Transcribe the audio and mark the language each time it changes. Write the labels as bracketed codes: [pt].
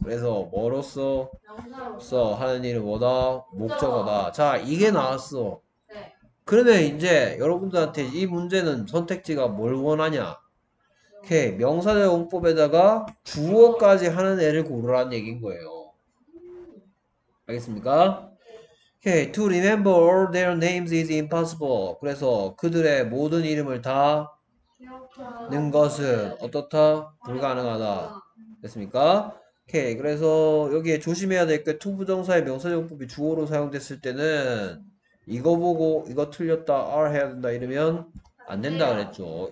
[ko] 그래서 뭐로써 써 하는 일은 뭐다? 목적어다. 자, 이게 나왔어. 그러면 이제 여러분들한테 이 문제는 선택지가 뭘 원하냐? 이렇게 명사대용법에다가 주어까지 하는 애를 고르라는 얘기인 거예요. 알겠습니까? [en] Okay, to remember all their names is impossible. [ko] 그래서 그들의 모든 이름을 다 는 것은 어떻다? 불가능하다. 됐습니까? 오케이. 그래서 여기에 조심해야 될게 to 부정사의 명사형법이 주어로 사용됐을 때는 이거 보고 이거 틀렸다 R 해야 된다 이러면 안 된다 그랬죠.